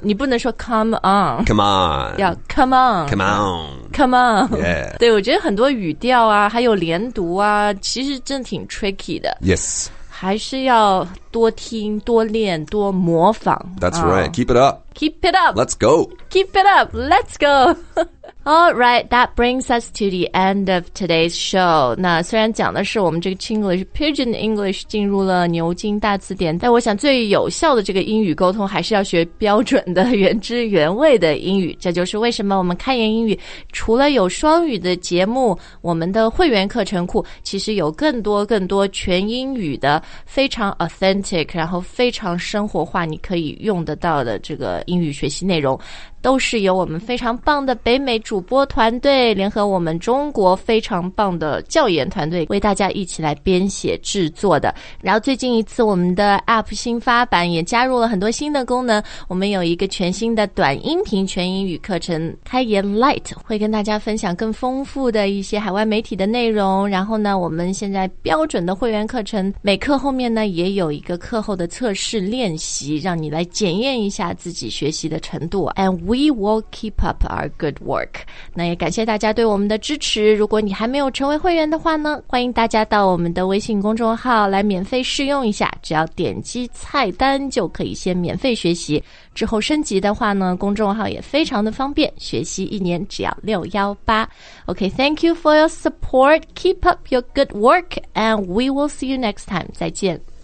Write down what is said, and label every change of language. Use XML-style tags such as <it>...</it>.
<zh>你不能说</zh> <en>come on. Come on. 要 come on. Come on. Come on. Yeah.</en> <zh>对，我觉得很多语调啊，还有连读啊，其实真的挺 tricky 的。</zh> <en>Yes.</en> <zh>还是要多听、多练、多模仿。</zh> <en>That's right. Keep it up. Keep it up. Let's go. Keep it up. Let's go. All right, that brings us to the end of today's show.</en> <zh>那虽然讲的是我们这个 Chinglish, Pidgin English 进入了牛津大词典，但我想最有效的这个英语沟通还是要学标准的原汁原味的英语。这就是为什么我们开言英语除了有双语的节目，我们的会员课程库其实有更多更多全英语的非常 authentic, 然后非常生活化你可以用得到的这个英语学习内容。都是由我们非常棒的北美主播团队联合我们中国非常棒的教研团队为大家一起来编写制作的。然后最近一次我们的 APP 新发版也加入了很多新的功能，我们有一个全新的短音频全英语课程开言 Light, 会跟大家分享更丰富的一些海外媒体的内容。然后呢，我们现在标准的会员课程每课后面呢也有一个课后的测试练习，让你来检验一下自己学习的程度。</zh> <en>AndWe will keep up our good work.</en> <zh>那也感谢大家对我们的支持。如果你还没有成为会员的话呢，欢迎大家到我们的微信公众号来免费试用一下，只要点击菜单就可以先免费学习。之后升级的话呢，公众号也非常的方便，学习一年只要618。</zh> <en>OK, thank you for your support. Keep up your good work, and we will see you next time.</en> <zh>再见。</zh>